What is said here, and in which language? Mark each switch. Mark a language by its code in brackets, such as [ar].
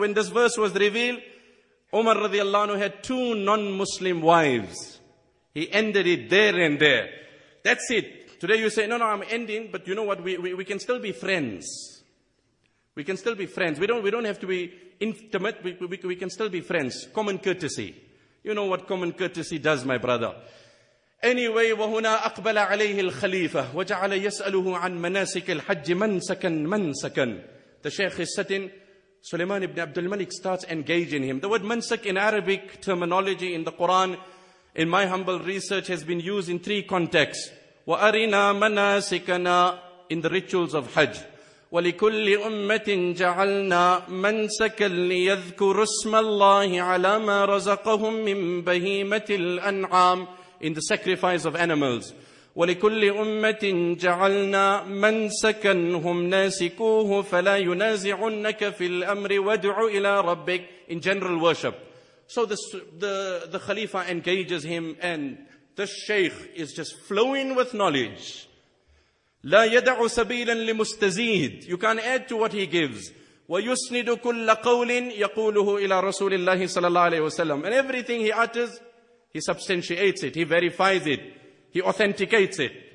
[en] When this verse was revealed, Umar radiallahu anhu had two non-Muslim wives. He ended it there and there. That's it. Today you say, no, I'm ending, but you know what, we can still be friends. We can still be friends. We don't have to be intimate, we can still be friends. Common courtesy. You know what common courtesy does, my brother. [ar] Anyway, وَهُنَا أَقْبَلَ عَلَيْهِ الْخَلِيفَةِ وَجَعَلَ يَسْأَلُهُ عَنْ مَنَاسِكِ الْحَجِّ مَنْسَكًا. [en] The Shaykh is sitting, Sulaiman ibn Abdul Malik starts engaging him. The word mansak in Arabic terminology in the Quran, in my humble research, has been used in three contexts. [ar] وَأَرِنَا مَنَاسِكَنَا, [en] in the rituals of Hajj. [ar] وَلِكُلِّ أُمَّةٍ جَعَلْنَا مَنْسَكًا لِيَذْكُرُ اسْمَ اللَّهِ عَلَى مَا رَزَقَهُمْ مِنْ بَهِيمَةِ الْأَنْعَامِ, [en] in the sacrifice of animals. [ar] وَلِكُلِّ أُمَّةٍ جَعَلْنَا مَنْسَكًا هُمْ نَاسِكُوهُ فَلَا يُنَازِعُنَّكَ فِي الْأَمْرِ وَدْعُ إِلَىٰ رَبِّكَ, [en] in general worship. So the Khalifa engages him, and the Shaykh is just flowing with knowledge. [ar] لَا يَدَعُ سَبِيلًا لِمُسْتَزِيدٍ, [en] you can't add to what he gives. [ar] وَيُسْنِدُ كُلَّ قَوْلٍ يَقُولُهُ إِلَىٰ رَسُولِ اللَّهِ صَلَى اللَّهُ عَلَيْهِ وَسَلَّمُ, [en] and everything he utters, he substantiates it, he verifies it, he authenticates it.